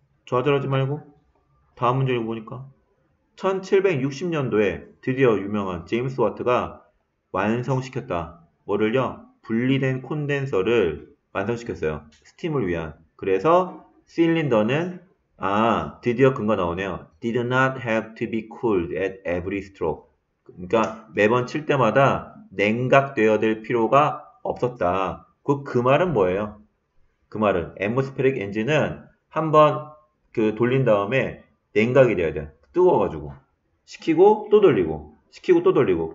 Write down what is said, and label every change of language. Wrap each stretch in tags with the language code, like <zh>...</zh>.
<ko>좌절하지 말고 다음 문제 읽어보니까 1760년도에 드디어 유명한 제임스 와트가 완성시켰다. 뭐를요? 분리된 콘덴서를 완성시켰어요. 스팀을 위한. 그래서 실린더는 아, 드디어 근거 나오네요.</ko> <en>Did not have to be cooled at every stroke.</en> <ko>그러니까 매번 칠 때마다 냉각되어야 될 필요가 없었다. 그 말은 뭐예요? 그 말은 atmospheric engine은 한번 그 돌린 다음에 냉각이 되어야 돼. 뜨거워가지고 식히고 또 돌리고 식히고 또 돌리고.</ko>